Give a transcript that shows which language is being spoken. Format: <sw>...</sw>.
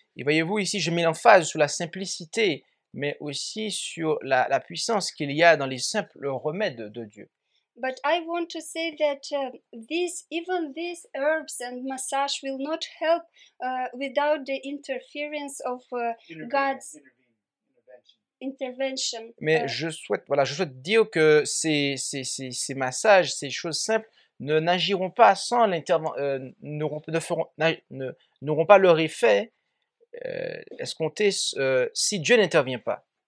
<fr>Et voyez-vous ici, je mets l'emphase sur la simplicité, mais aussi sur la puissance qu'il y a dans les simples remèdes de Dieu.</fr> <en>But I want to say that even these herbs and massage will not help without the interference of God's intervention.</en> <fr>Mais je souhaite dire que ces massages, ces choses simples, n'agiront pas sans n'auront pas leur effet escompté si Dieu n'intervient pas.</fr>